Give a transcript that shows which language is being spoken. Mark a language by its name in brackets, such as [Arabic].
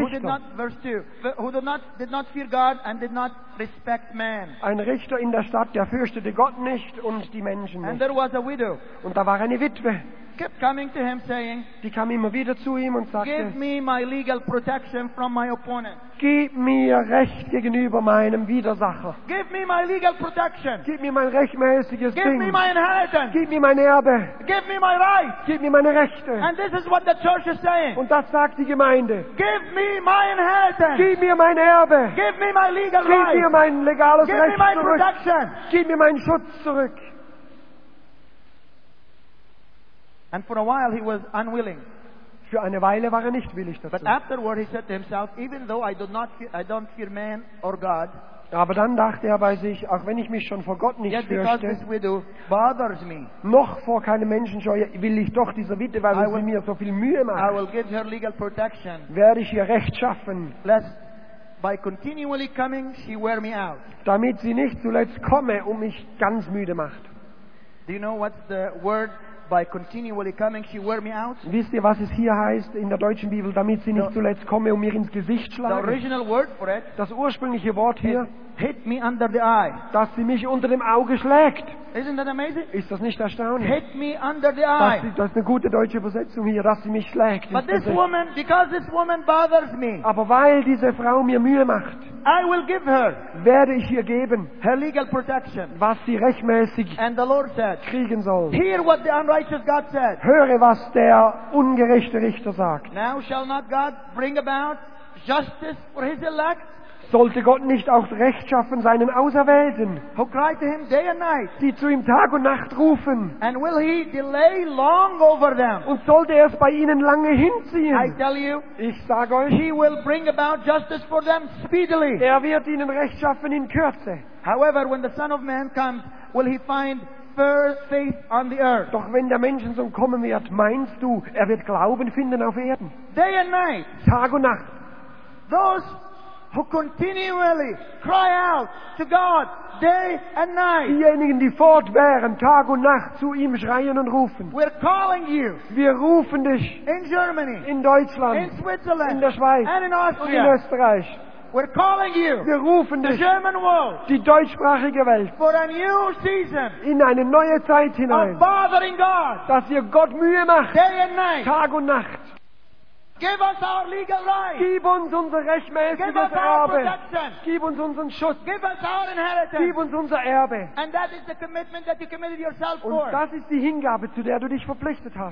[English] who did not, verse 2, who did not fear God and did not respect man. [German] Ein Richter in der Stadt, der fürchtete Gott nicht und die Menschen nicht. [English] And there was a widow. [German] Und da war eine Witwe. [English] Kept coming to him saying, [German] die kam immer wieder zu ihm und sagte, [English] give me my legal protection from my opponent. [German] Gib mir Recht gegenüber meinem Widersacher. [English] Give me my legal protection. [German] Gib mir mein rechtmäßiges [English] give [German] Ding. [English] Me my inheritance. [German] Gib mir mein Erbe. [English] Give me my right. [German] Gib mir meine Rechte. [English] And this is what the church is saying. [German] Und das sagt die Gemeinde. [English] Give me my inheritance. [German] Gib mir mein Erbe. [English] Give me my legal [German] gib [English] right. [German] Mir mein legales [English] give [German] Recht [English] me my [German] zurück. [English] Protection. [German] Gib mir meinen Schutz zurück. [English] And for a while he was unwilling. [German] Für eine Weile war er nicht willig dazu. [English] But afterward he said to himself, even though I don't fear man or God. [German] Aber dann dachte er bei sich, auch wenn ich mich schon vor Gott nicht fürchte, noch vor keinem Menschen scheue, will ich doch dieser Witwe, weil sie mir so viel Mühe macht, [English] I will give her legal protection, [German] werde ich ihr Recht schaffen, [English] lest, by continually coming, she wear me out. [German] Damit sie nicht zuletzt komme und mich ganz müde macht. [English] Do you know what the word by continually coming, she wear me out? [German] Wisst ihr, was es hier heißt in der deutschen Bibel, damit sie nicht zuletzt komme und mir ins Gesicht schlage? [English] The original word for it, [German] das ursprüngliche Wort hier, [English] hit me under the eye. [German] Dass sie mich unter dem Auge schlägt. [English] Isn't that amazing? [German] Ist das nicht erstaunlich? [English] Hit me under the eye. [German] Das ist eine gute deutsche Übersetzung hier, dass sie mich schlägt. [English] But this woman, because this woman bothers me, [German] aber weil diese Frau mir Mühe macht, [English] I will give her, [German] werde ich ihr geben, [English] her legal protection, [German] was sie rechtmäßig [English] and the Lord said, [German] kriegen soll. [English] Hear what the unrighteous God said. [German] Höre, was der ungerechte Richter sagt. [English] Now shall not God bring about justice for his elect? [German] Sollte Gott nicht auch Recht schaffen seinen Auserwählten, [English] who cry to him day and night, [German] die zu ihm Tag und Nacht rufen, [English] and will he delay long over them? [German] Und sollte er es bei ihnen lange hinziehen? [English] I tell you, [German] ich sage euch, [English] he will bring about justice for them speedily. [German] Er wird ihnen Recht schaffen in Kürze. [English] However, when the Son of Man comes, will he find faith on the earth? [German] Doch wenn der Menschensohn kommen wird, meinst du, er wird Glauben finden auf Erden? [English] Day and night, [German] Tag und Nacht. [English] Those who continually cry out to God day and night. [German] Diejenigen, die fortwährend Tag und Nacht zu ihm schreien und rufen. [English] We're calling you. [German] Wir rufen dich. [English] In Germany. [German] In Deutschland. [English] In Switzerland. [German] In der Schweiz. [English] And in Austria. [German] In Österreich. [English] We're calling you. [German] Wir rufen dich. [English] The German world. [German] Die deutschsprachige Welt. [English] For a new season. [German] In eine neue Zeit hinein. [English] Of bothering God. [German] Dass ihr Gott Mühe macht. [English] Day and night. [German] Tag und Nacht. [English] Give us our legal right. [German] Gib uns unser rechtmäßiges Erbe. Gib uns unseren Schutz. [English] Give us our inheritance. [German] Gib uns unser Erbe. [English] And that is the commitment that you committed yourself for. [German] Und das ist die Hingabe, zu der du dich verpflichtet hast.